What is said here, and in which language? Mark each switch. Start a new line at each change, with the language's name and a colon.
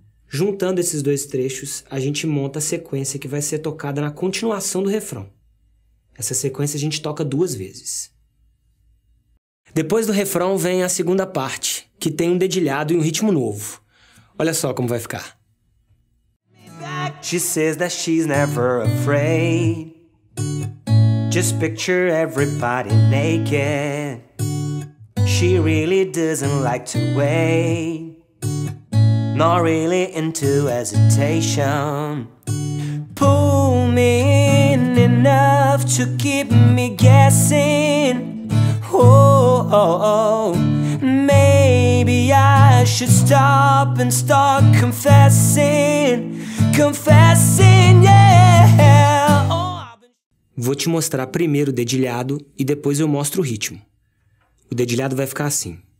Portuguese: Juntando esses dois trechos, a gente monta a sequência que vai ser tocada na continuação do refrão. Essa sequência a gente toca 2 vezes. Depois do refrão vem a segunda parte, que tem um dedilhado e um ritmo novo. Olha só como vai ficar.
English: She says that she's never afraid. Just picture everybody naked. She really doesn't like to wait. Not really into hesitation. Pull me in enough to keep me guessing. Oh, oh, oh. Maybe I should stop and start confessing. Confessing, yeah.
Portuguese: Vou te mostrar primeiro o dedilhado e depois eu mostro o ritmo. O dedilhado vai ficar assim.